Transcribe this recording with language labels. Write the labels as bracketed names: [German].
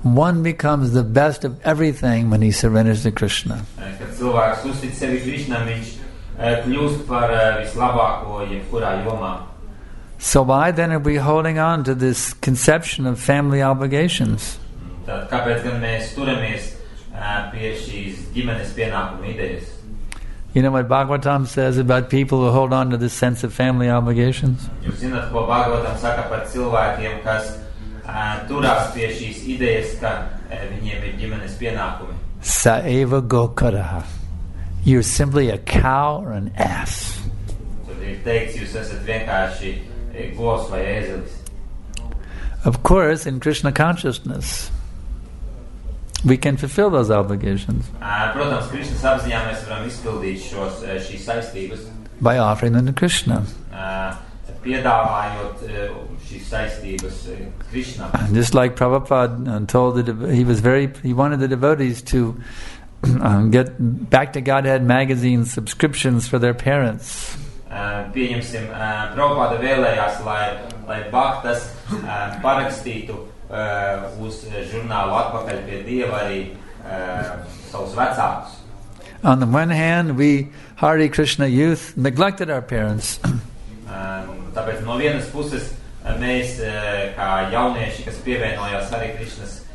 [English] One becomes the best of everything when he surrenders to Krishna. [Latvian] Kad cilvēks uztic sevi Krishna, viņš kļūst par vislabāko jebkurā jomā. [English] So why then are we holding on to this conception of family obligations? [Latvian] Tad kāpēc gan mēs turamies pie šīs ģimenes pienākuma idejas? [English] You know what Bhagavatam says about people who hold on to this sense of family obligations? [Latvian] Jūs zināt, ko Bhagavatam saka par cilvēkiem, kas turās pie šīs idejas, ka viņiem ir ģimenes pienākumi. [Sanskrit] Sa eva gokaraha. [English] You're simply a cow or an ass. [Latvian] Tad ir teiks, jūs esat vienkārši govs vai ēzelis. [English] Of course, in Krishna consciousness, we can fulfill those obligations. [Latvian] Protams, Krishna's apziņā mēs varam izpildīt šos šīs saistības. [English] By offering them to Krishna. [Latvian] Piedāvājot šīs saistības Krishna. [English] Just like Prabhupada told the he wanted the devotees to get Back to Godhead magazine subscriptions for their parents. [Latvian] Pieņemsim, Prabhupada vēlējās, lai Bhaktas parakstītu uz žurnālu atpakaļ pie Dieva arī savus vecākus. [English] On the one hand, we Hare Krishna youth neglected our parents. [Latvian] Tāpēc no vienas puses mēs kā jaunieši, kas pievienojās Hare Krishnas,